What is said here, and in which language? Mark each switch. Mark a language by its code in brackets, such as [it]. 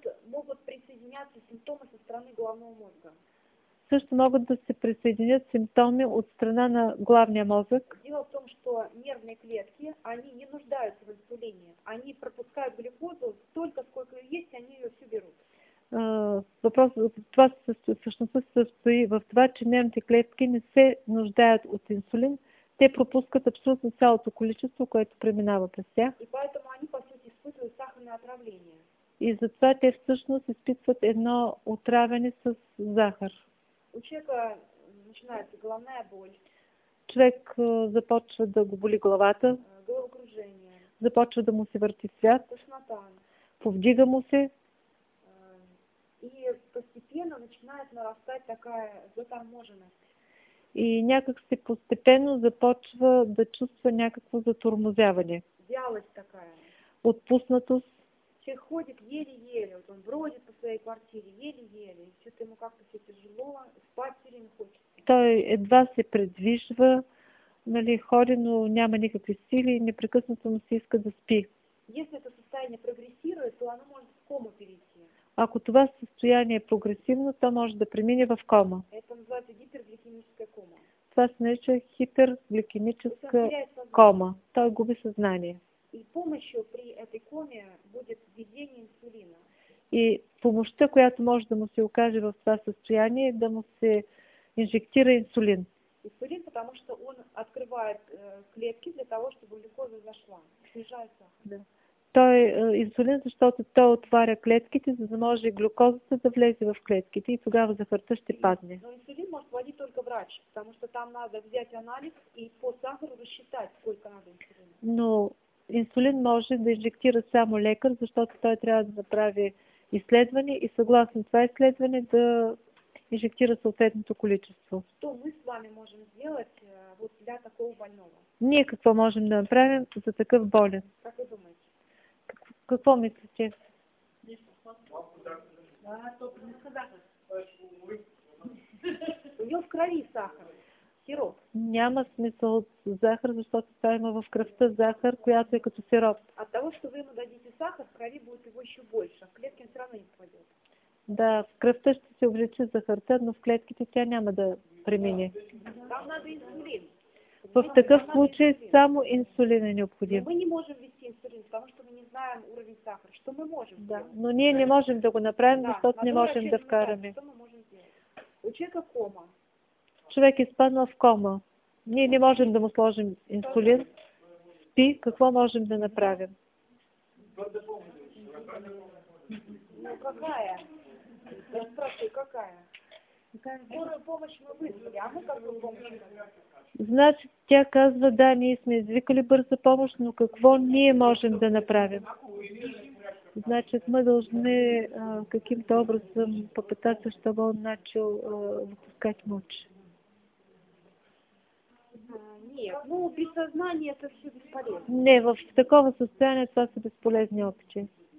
[ru] Могат присъединяться симптомы со стороны головного мозга. [bg] Също могат да се присъединят симптоми от страна на главния мозък. [ru] Дело в том, что нервные клетки, они не нуждаются в инсулине. Они пропускают глюкозу столько, сколько есть, они ее всю берут. [bg] Въпросът се състои в това, че нервните клетки не се нуждаят от инсулин. Те пропускат абсолютно цялото количество, което преминава през тях. [ru] И поэтому они, по сути, испытывают сахарное отравление. [bg] И затова те всъщност изпитват едно отравяне с захар. [ru] У человека начинается головная боль. [bg] Човек започва да го боли главата. [ru] Головокружение. [bg] Започва да му се върти свят. [ru] Тошнота. [bg] Повдига му се. [ru] И постепенно начинает нарастать такая заторможенность. [bg] И някак се постепенно започва да чувства някакво затормозяване. [ru] Вялость такая. [bg] Отпуснатост. [ru] Человек ходит еле-еле, вот он бродит по своей квартире еле-еле, что-то ему как-то все тяжело, спать все время хочется. [bg] Той едва се предвижва, нали, ходи, но няма никакви сили, непрекъснато му се иска да спи. [ru] Если это состояние прогрессирует, то оно может в кому перейти. [bg] Ако това състояние е прогресивно, то може да премине в кома. [ru] Это называется гипергликемическая кома. [bg] Това се нарича хипергликемическа кома. Той губи съзнание. [ru] И помощью при этой коме будет введение инсулина. [bg] И помощта, която може да му се окаже в това състояние, да му се инжектира инсулин. [ru] Инсулин, потому что он открывает клетки для того, чтобы глюкоза зашла. Снижает сахар. Да. [bg] Той инсулин, защото той отваря клетките, за да може глюкозата да влезе в клетките и тогава захарта ще падне. [ru] Но инсулин може води только врач, потому что там надо взять анализ и по сахару рассчитать, сколько надо инсулина. [bg] Но инсулин може да инжектира само лекар, защото той трябва да направи изследване и съгласно това изследване да инжектира съответното количество. [ru] Що ми с вами можем сделать вот для такого больного? [bg] Ние какво можем да направим за такъв болен? [ru] Как вы думаете? [bg] Какво мислите? [ru] У него в крови сахар. Сироп. [bg] Няма смисъл от захар, защото това има в кръвта захар, която е като сироп. [ru] От того, что вы ему дадите сахар, в крови будет его еще больше, а в клетки все равно не попадет. [bg] Да, в кръвта ще се увлече захарта, но в клетките тя няма да премине. [ru] Там надо инсулин. [bg] В такъв случай само инсулин е необходим. [ru] Но мы не можем ввести инсулин, потому что мы не знаем уровень сахара. Что мы можем? [bg] Да, но ние не можем да го направим, защото не можем да вкараме. [ru] Что мы можем сделать? У человека кома. [bg] Човек изпаднал в кома. Ние не можем да му сложим инсулин. Спи, какво можем да направим? [ru] Ну, какая? Я спрашиваю, какая? Скорую помощь мы вызвали, а мы какую помощь? [bg] Значи, тя казва, да, ние сме извикали бърза помощ, но какво ние можем да направим? [ru] Значит, мы должны каким-то образом попытаться, чтобы он начал выпускать мочи. Нет, ну без сознания это все бесполезно. Не, в такого состояния это все бесполезно вообще.